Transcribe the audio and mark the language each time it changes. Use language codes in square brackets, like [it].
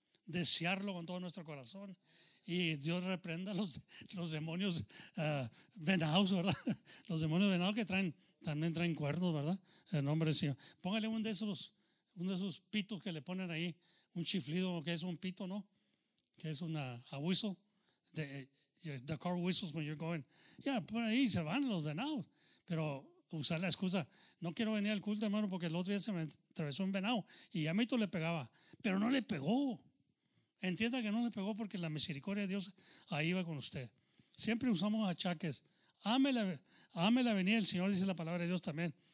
[es] Desearlo con todo nuestro corazón. Y Dios reprenda los demonios venados, ¿verdad? Los demonios venados que traen, también traen cuernos, ¿verdad? En nombre del Señor. Póngale uno de esos pitos que le ponen ahí, un chiflido, que es un pito, ¿no? Que es [en] a whistle. The car whistles when you're going. [es] Yeah, por ahí se van los venados. Pero usar la excusa, no quiero venir al culto, hermano, porque el otro día se me atravesó un venado y a mí todo le pegaba. Pero no le pegó. Entienda que no le pegó porque la misericordia de Dios ahí va con usted. Siempre usamos achaques. Ame la venida del Señor, dice la palabra de Dios también.